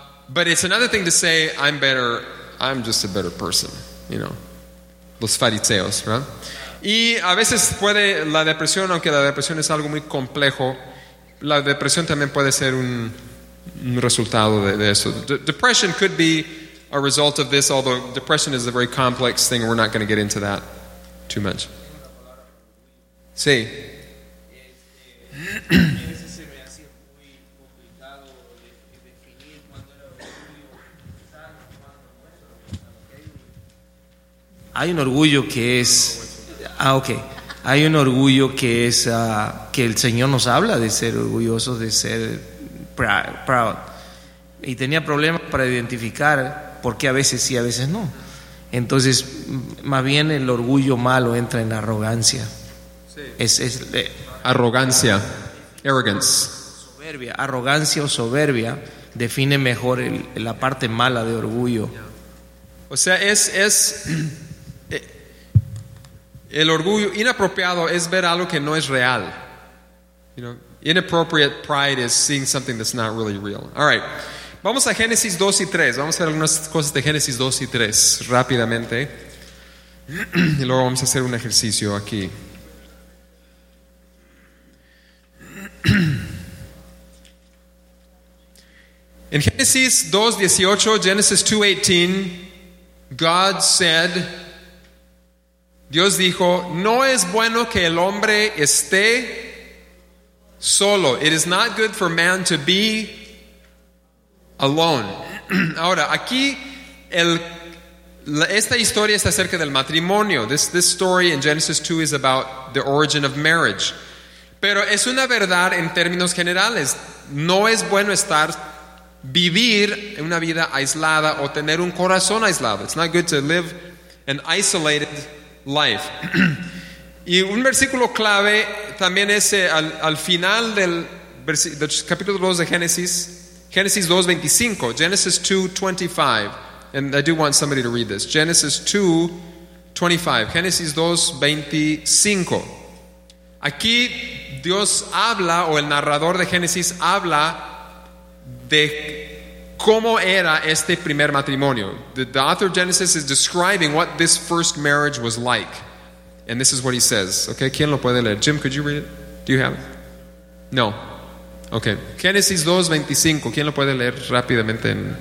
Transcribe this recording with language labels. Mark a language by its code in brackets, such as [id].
[en] But it's another thing to say, I'm better, I'm just a better person, you know. [es] Los fariseos, ¿verdad? Y a veces puede la depresión, aunque la depresión es algo muy complejo, la depresión también puede ser un resultado de eso. [en] Depression could be a result of this, although depression is a very complex thing, we're not going to get into that too much. [es] Sí. Hay un orgullo que es, okay. Hay un orgullo que es que el Señor nos habla de ser orgullosos, de ser proud. Y tenía problemas para identificar por qué a veces sí, a veces no. Entonces, más bien el orgullo malo entra en arrogancia. Sí. Es arrogancia. Arrogance. Soberbia. Arrogancia o soberbia define mejor la parte mala de orgullo. O sea, es el orgullo inapropiado es ver algo que no es real. [en] You know, inappropriate pride is seeing something that's not really real. All right. [es] Vamos a Génesis 2 y 3. Vamos a ver algunas cosas de Génesis 2 y 3 rápidamente. Y luego vamos a hacer un ejercicio aquí. En Génesis 2:18, Genesis 2:18, [en] God said, [es] Dios dijo, no es bueno que el hombre esté solo. [en] It is not good for man to be alone. [es] Ahora, aquí esta historia está acerca del matrimonio. [en] This story in Genesis 2 is about the origin of marriage. [es] Pero es una verdad en términos generales. No es bueno vivir una vida aislada o tener un corazón aislado. [en] It's not good to live an isolated life. [es] Y un versículo clave también es al final del capítulo 2 de Génesis. [en] Genesis 2:25, Genesis 2:25, and I do want somebody to read this. Genesis 2:25, Genesis 2:25. [es] Aquí Dios habla, o el narrador de Génesis habla de cómo era este primer matrimonio. [en] The author of Genesis is describing what this first marriage was like. And this is what he says. Okay, [es] ¿quién lo puede leer? [en] Jim, could you read it? Do you have it? No. Okay. [es] Génesis 2:25. ¿Quién lo puede leer rápidamente?